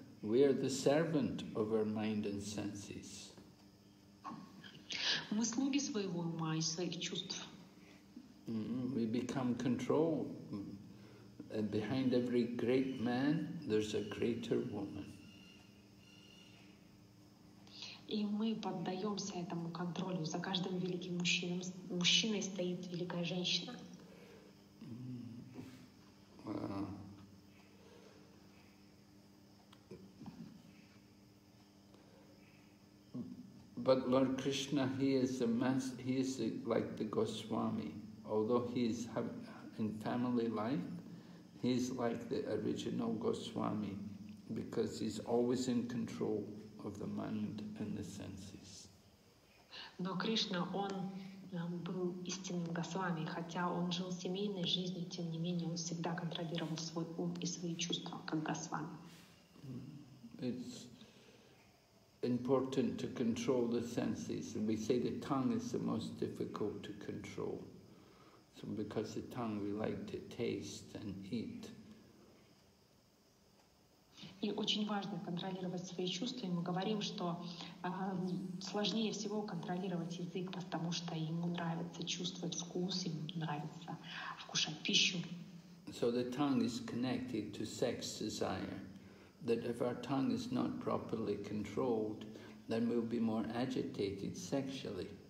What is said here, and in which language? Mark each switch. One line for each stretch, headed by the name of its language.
English: We are the servant of our mind and senses.
Russian: Мы слуги своего ума и своих чувств.
English: We become control. And behind every great man, there's a greater woman.
Russian: И мы поддаемся этому контролю. За каждым великим мужчиной стоит великая женщина.
English: But Lord Krishna, he is a master, he is like the Goswami. Although he is in family life, he is like the original Goswami, because he's always in control of the mind and the senses.
Russian: Но Кришна, он был истинным Госвами, хотя он жил семейной жизнью, тем не менее он всегда контролировал свой ум и свои чувства как Госвами.
English: It's important to control the senses, and we say the tongue is the most difficult to control. So because the tongue, we like to taste and eat.
Russian: И очень важно контролировать свои чувства. И мы говорим, что сложнее всего контролировать язык, потому что ему нравится чувствовать вкус, ему нравится вкушать пищу.
English: So the tongue is connected to sex desire. That if our tongue is not properly controlled, then we'll be more agitated sexually.